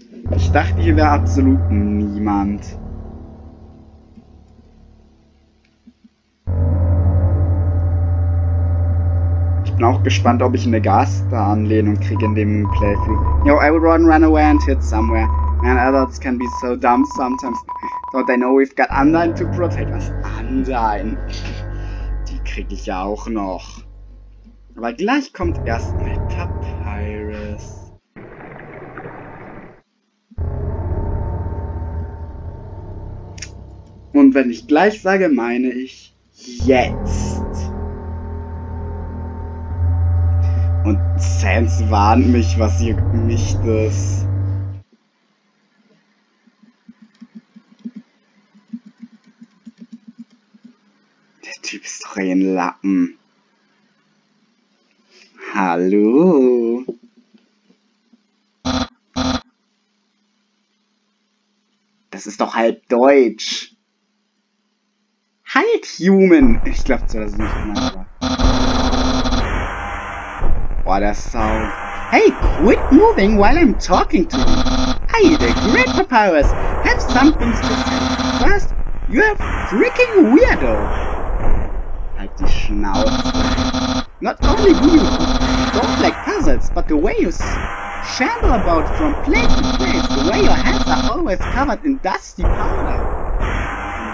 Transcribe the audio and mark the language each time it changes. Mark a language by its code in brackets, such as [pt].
[de] Ich dachte, hier wäre absolut niemand. Ich bin auch gespannt, ob ich eine Gaster-Anlehnung kriege in dem Playthrough. [en] Yo, I would run away and hit somewhere. Man, adults can be so dumb sometimes. Don't they know we've got Undyne to protect us? [de] Undyne. Krieg ich ja auch noch. Aber gleich kommt erstmal Papyrus. Und wenn ich gleich sage, meine ich jetzt. Und Sans warnt mich, was juckt mich das? Typ ist doch ein Lappen. Hallo? Das ist doch halb deutsch. Halt, Human! Ich glaube zwar, das ist nicht mein Lappen. Boah, der Sound. [en] Hey, quit moving while I'm talking to you. Hey, the great Papyrus. Have something to say. First, you're a freaking weirdo. [de] Die Schnauze. [en] Not only do you don't like puzzles, but the way you shamble about from place to place, the way your hands are always covered in dusty powder.